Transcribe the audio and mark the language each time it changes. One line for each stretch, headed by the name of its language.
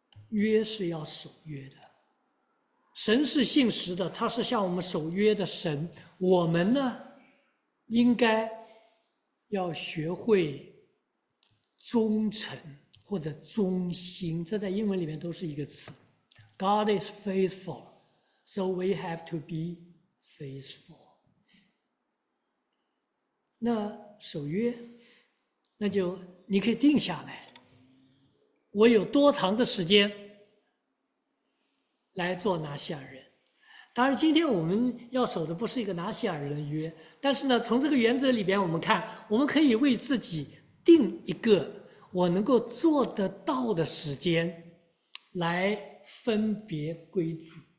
Chinese: 约是要守约的。神是信实的，他是向我们守约的神。我们呢，应该。要学会忠诚或者忠心，这在英文里面都是一个词。
English: God is faithful, so we have to be faithful。
Chinese: 那守约，那就你可以定下来，我有多长的时间来做拿西尔人。当然，今天我们要守的不是一个拿西尔人的约，但是呢，从这个原则里边，我们看，我们可以为自己定一个我能够做得到的时间，来分别归主。